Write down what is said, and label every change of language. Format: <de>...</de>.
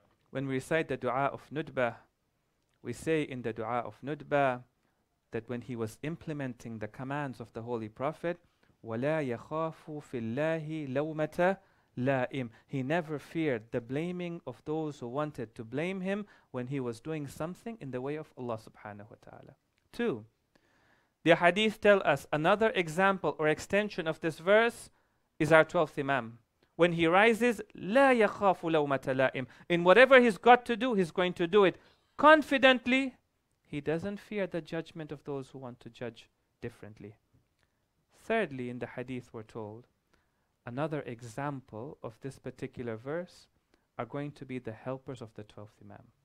<en>When we recite the dua of Nudba, we say in the dua of Nudba that when he was implementing the commands of the Holy Prophet,</en> <ar>وَلَا يَخَافُ فِي اللَّهِ لَوْمَةَ لَائِمْ.</ar> <en>He never feared the blaming of those who wanted to blame him when he was doing something in the way of Allah subhanahu wa ta'ala. Two, the hadith tell us another example or extension of this verse is our 12th imam. When he rises,</en> <ar>لَا يَخَافُ لَوْمَةَ لَائِمْ.</ar> <en>In whatever he's got to do, he's going to do it confidently. He doesn't fear the judgment of those who want to judge differently. Thirdly, in the hadith we're told, another example of this particular verse are going to be the helpers of the 12th Imam.</en>